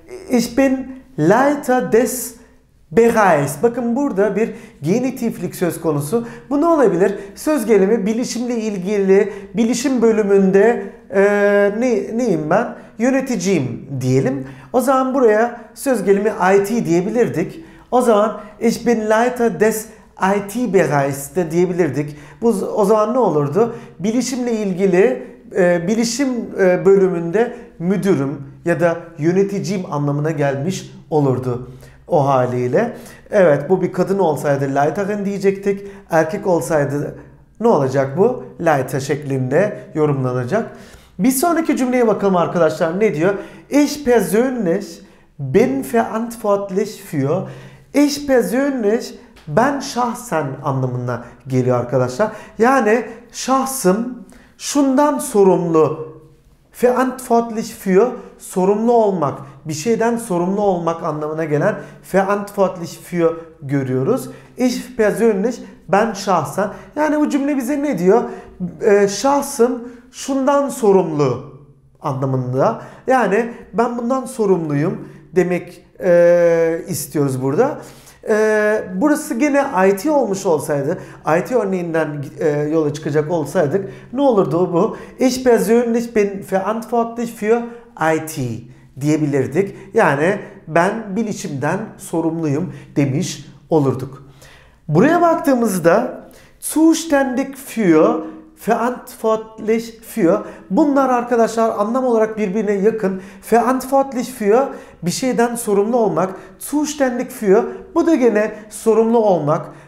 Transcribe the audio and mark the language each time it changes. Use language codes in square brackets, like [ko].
[de] Ich bin Leiter des Bereich. [tr] Bakın burada bir genitiflik söz konusu. Bu ne olabilir? Söz gelimi bilişimle ilgili, bilişim bölümünde neyim ben? Yöneticiyim diyelim. O zaman buraya söz gelimi IT diyebilirdik. O zaman [de] ich bin Leiter des IT Bereichs [tr] de diyebilirdik. Bu o zaman ne olurdu? Bilişimle ilgili bilişim bölümünde müdürüm ya da yöneticiyim anlamına gelmiş olurdu. O haliyle. Evet, bu bir kadın olsaydı Leiterin diyecektik. Erkek olsaydı ne olacak bu? Leiter şeklinde yorumlanacak. Bir sonraki cümleye bakalım arkadaşlar. Ne diyor? [de] Ich persönlich bin verantwortlich für. Ich persönlich, [tr] ben şahsen anlamına geliyor arkadaşlar. Yani şahsım şundan sorumlu. [de] Verantwortlich für, [tr] sorumlu olmak. Bir şeyden sorumlu olmak anlamına gelen verantwortlich für görüyoruz. [de] Ich persönlich, [tr] ben şahsen. Yani bu cümle bize ne diyor? Şahsım şundan sorumlu anlamında. Yani ben bundan sorumluyum demek istiyoruz burada. Burası gene IT olmuş olsaydı, IT örneğinden yola çıkacak olsaydık ne olurdu bu? [de] Ich persönlich bin verantwortlich für IT [tr] diyebilirdik. Yani ben bilişimden sorumluyum demiş olurduk. Buraya baktığımızda [de] zuständig für, verantwortlich für, [tr] bunlar arkadaşlar anlam olarak birbirine yakın. [de] Verantwortlich für, [tr] bir şeyden sorumlu olmak. [de] Zuständig für, [tr] bu da gene sorumlu olmak.